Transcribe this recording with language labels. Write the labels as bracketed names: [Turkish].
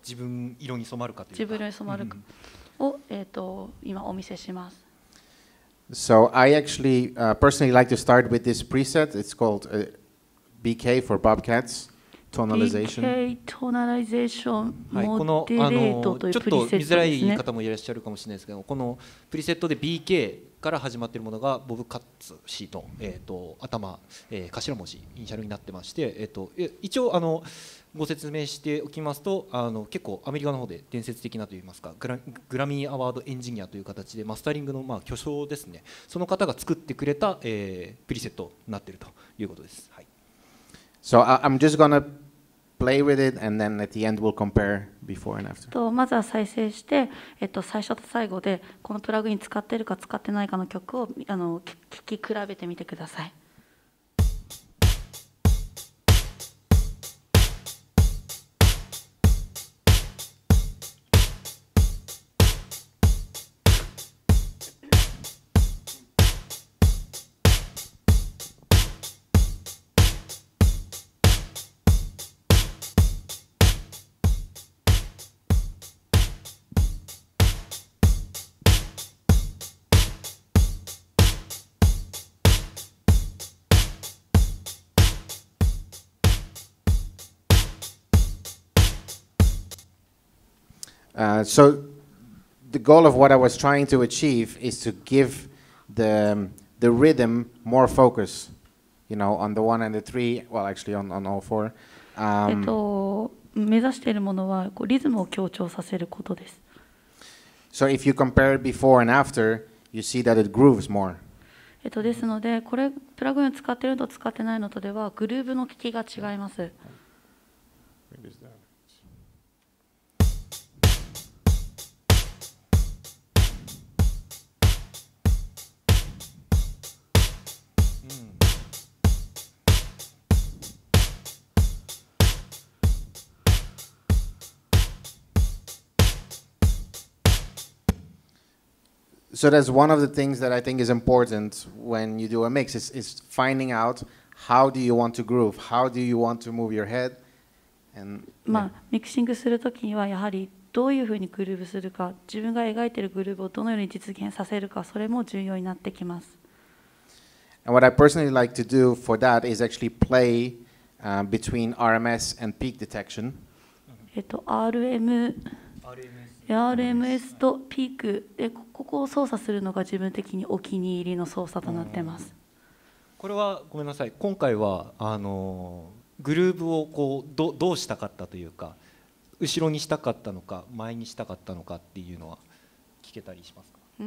[Japanese] 自分色に染まるかというか。自分色に染まるかを、今お見せします。 [English] So I actually personally like to start with this preset. It's called BK for Bob Katz tonalization. BK tonalization moderate [Japanese] というプリセットですね。ちょっと見づらい方もいらっしゃるかもしれないですけど、このプリセットで BK から始まっているものがボブカッツ氏の、頭文字イニシャルになってまして、一応ご説明しておきますと、結構アメリカの方で伝説的なといいますか、グラミーアワードエンジニアという形でマスタリングの巨匠ですね、その方が作ってくれた、プリセットになっているということです。はい、 [English] So I'm just gonna play with it and then at the end we'll compare before and after. [Japanese] まずは再生して、最初と最後でこのプラグイン使ってるか使ってないかの曲を聞き比べてみてください。 [English] So the goal of what I was trying to achieve is to give the rhythm more focus, you know, on the one and the three, well, actually on all four. [Japanese] 目指しているものはこうリズムを強調させることです。 [English] So if you compare before and after, you see that it grooves more. [Japanese] ですので、これプラグインを使っているのと使ってないのとではグルーヴの効きが違います。 [English] So that's one of the things that I think is important when you do a mix is finding out how do you want to groove, how do you want to move your head, and [Japanese] ミキシングするときにはやはりどういうふうにグルーヴするか、自分が描いているグルーヴをどのように実現させるか、それも重要になってきます。 [English] And what I personally like to do for that is actually play between RMS and peak detection. [Japanese] RMS とピークでここを操作するのが自分的にお気に入りの操作となってます。これはごめんなさい、今回はグルーヴをこう どうしたかったというか、後ろにしたかったのか前にしたかったのかっていうのは聞けたりしますか？